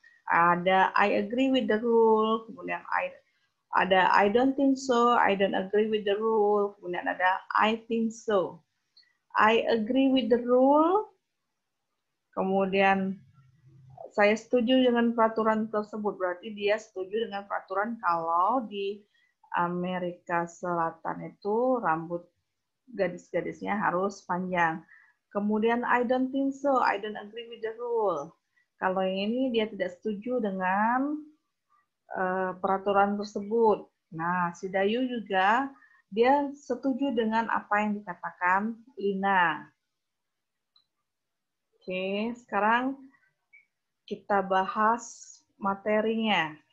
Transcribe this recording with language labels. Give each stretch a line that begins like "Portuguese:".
Indonesian: Ada
English: I agree with the rule,
Indonesian: kemudian ada
English: I don't think so, I don't agree with the rule, kemudian ada I think so. I agree with the rule,
Indonesian: kemudian saya setuju dengan peraturan tersebut, berarti dia setuju dengan peraturan kalau di Amerika Selatan itu rambut gadis-gadisnya harus panjang. Kemudian
English: I don't think so, I don't agree with the rule.
Indonesian: Kalau yang ini dia tidak setuju dengan peraturan tersebut. Nah, si Dayu juga dia setuju dengan apa yang dikatakan Lina. Oke, sekarang kita bahas materinya.